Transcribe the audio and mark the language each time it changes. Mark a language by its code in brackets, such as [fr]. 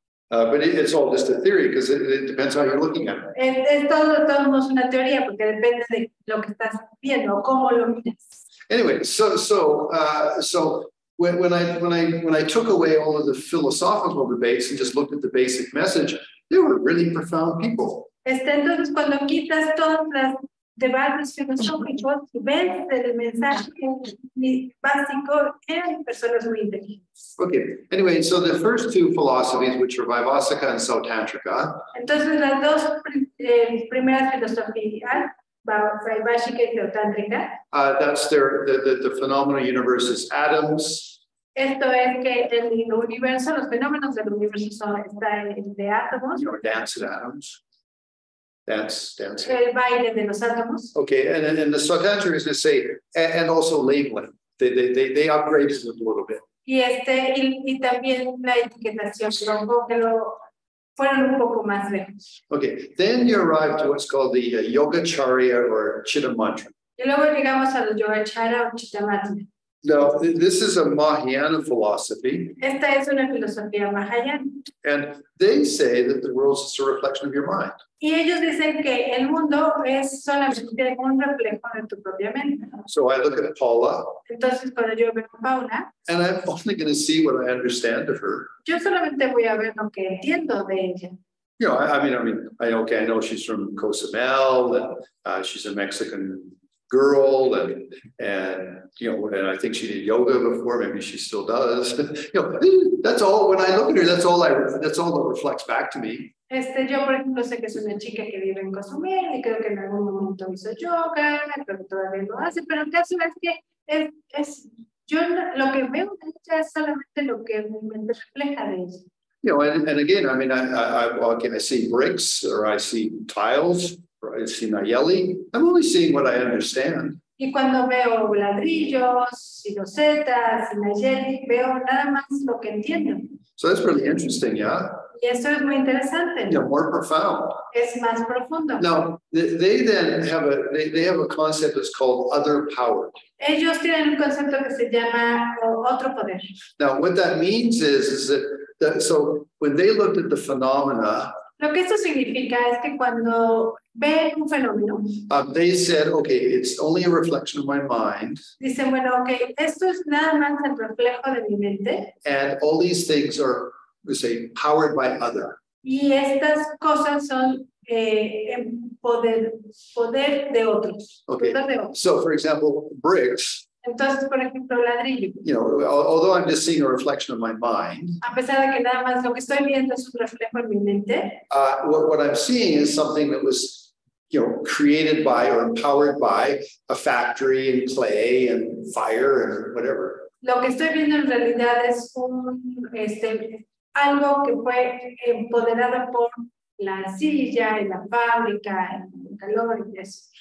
[en] But it's all just a theory because it depends how you're looking at it. [es] Es todo una teoría porque depende de lo que estás viendo, cómo lo miras. [en] Anyway, so when I took away all of the philosophical debates and just looked at the basic message, they were really profound people. [es] Entonces cuando quitas todos los debates filosóficos y ves el mensaje básico, eran personas muy inteligentes. [en] Okay. Anyway, so the first two philosophies, which are Vaivasika and Sautantrika. [es] Entonces las dos primeras filosofías, Vaivasika y Sautantrika. [en] That's the phenomenal universe is atoms. [es] Esto es que el universo, los fenómenos del universo son de átomos. [en] Or dance of atoms. Dance. [es] El baile de los átomos. [en] Okay, and the Sautantrika is going to say, and also labeling. They upgraded it a little bit. [es] Y también la etiquetación, pero fueron un poco más lejos. [en] Okay, then you arrive to what's called the Yogacharya or Chittamatra. [es] Y luego llegamos a los Yogacharya o Chittamatra. [en] No, this is a Mahayana philosophy. [es] Esta es una filosofía Mahayana. [en] And they say that the world is a reflection of your mind. [es] Y ellos dicen que el mundo es solamente un reflejo de tu propia mente. [en] So I look at Paula. [es] Entonces cuando yo veo a Paula. [en] And I'm only going to see what I understand of her. [es] Yo solamente voy a ver lo que entiendo de ella. [en] You know, I know she's from Cozumel, and she's a Mexican girl, and you know, and I think she did yoga before, maybe she still does. You know, that's all, when I look at her, that's all that reflects back to me. [es] Este, yo por ejemplo sé que es una chica que vive en Cozumel, y creo que en algún momento hizo yoga, pero todavía no hace, pero el caso es que es yo lo que veo de ella es solamente lo que mi mente refleja de ella. [en] You know, and again, I mean, I see bricks, or I see tiles, or I see Nayeli. I'm only seeing what I understand. [es] Y cuando veo ladrillos, y rosetas, y Nayeli, veo nada más lo que entiendo. [en] So that's really interesting, yeah? [es] Y eso es muy interesante. [en] Yeah, more profound. [es] Es más profundo. [en] Now, they have a concept that's called other power. [es] Ellos tienen un concepto que se llama otro poder. [en] Now, what that means is that so when they looked at the phenomena, [es] lo que esto significa es que cuando ve un fenómeno, [en] they said, okay, it's only a reflection of my mind. [es] Dicen, bueno, okay, esto es nada más el reflejo de mi mente. [en] And all these things are, we say, powered by other. [es] Y estas cosas son poder de otros. [en] Okay. [es] Poder de otros. [en] So, for example, bricks. [es] Entonces, por ejemplo, ladrillo. [en] You know, although I'm just seeing a reflection of my mind. [es] A pesar de que nada más lo que estoy viendo es un reflejo en mi mente. [en] What I'm seeing is something that was, you know, created by or empowered by a factory and clay and fire and whatever. [es] Lo que estoy viendo en realidad es algo que fue empoderado por la silla y la fábrica y el calor y eso.